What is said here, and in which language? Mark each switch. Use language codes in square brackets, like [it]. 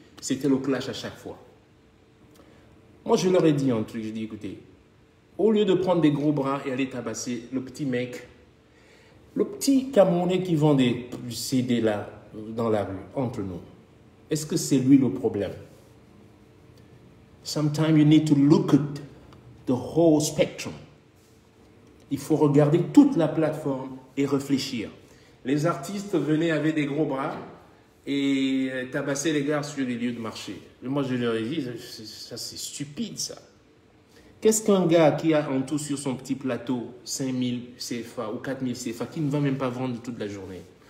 [fr] C'était le clash à chaque fois. Moi, je leur ai dit un truc. J'ai dit, écoutez, au lieu de prendre des gros bras et aller tabasser le petit mec, le petit Camerounais qui vend des CD là, dans la rue, entre nous, est-ce que c'est lui le problème? [en] Sometimes you need to look at the whole spectrum. [fr] Il faut regarder toute la plateforme et réfléchir. Les artistes venaient avec des gros bras et tabassaient les gars sur les lieux de marché. Et moi, je leur ai dit, ça c'est stupide ça. Qu'est-ce qu'un gars qui a en tout sur son petit plateau 5000 CFA ou 4000 CFA qui ne va même pas vendre toute la journée?